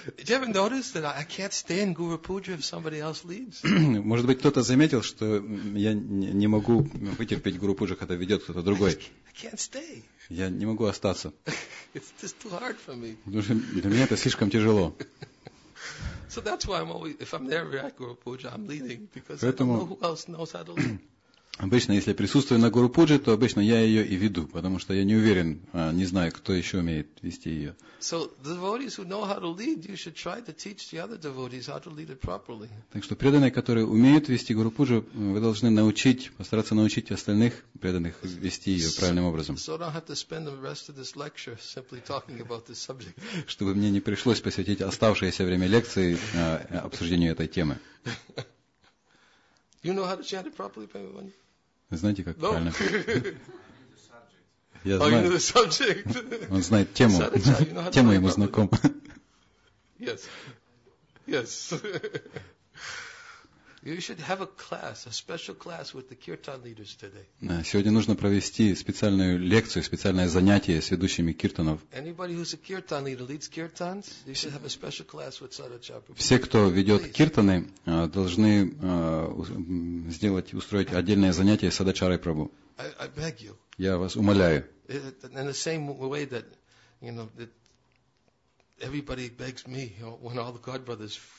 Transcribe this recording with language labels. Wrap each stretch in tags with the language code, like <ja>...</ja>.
<en>you ever notice that I can't stand Guru Puja if somebody else leads?</en> <ru>Может быть, кто-то заметил, что я не могу вытерпеть Гуру Пуджу, когда ведет кто-то другой.</ru> <en>I can't stay.</en> <ru>Я не могу остаться.</ru> <en>It's just too hard for me.</en> <ru>Потому что для меня это слишком тяжело.</ru> <en>So that's why I'm always, if I'm there at Guru Puja, I'm leading because</en> <ru>Поэтому...</ru> <en>I don't know who else knows how to lead.</en> <ru>Обычно, если я присутствую на Гуру Пуджи, то обычно я ее и веду, потому что я не уверен, не знаю, кто еще умеет вести ее.</ru> <en>So, devotees who know how to lead, you should try to teach the other devotees how to lead it properly.</en> <ru>Так что преданные, которые умеют вести Гуру Пуджу, вы должны научить, постараться научить остальных преданных вести ее правильным образом.</ru> <en>So don't have to spend the rest of this lecture simply talking about this subject.</en> <ru>Чтобы мне не пришлось посвятить оставшееся время лекции обсуждению этой темы.</ru> <en>You know how to chant it properly, Prabhupada?</en> <ru>Знаете, как правильно? Я знаю. Он знает тему. Тема ему знакома.</ru> <en>Yes. Yes. You should have a class, a special class with the kirtan leaders today.</en> <ru>Сегодня нужно провести специальную лекцию, специальное занятие с ведущими киртанов.</ru> <en>Anybody who's a kirtan leader leads kirtans, you should have a special class with Sadachapa.</en> <ru>Все, кто ведет киртаны, должны сделать, устроить отдельное занятие с Садачарой Прабу.</ru> <en>I beg you.</en> <ru>Я вас умоляю.</ru> <en>In the same way that, you know, that everybody begs me when all the God brothers.</en>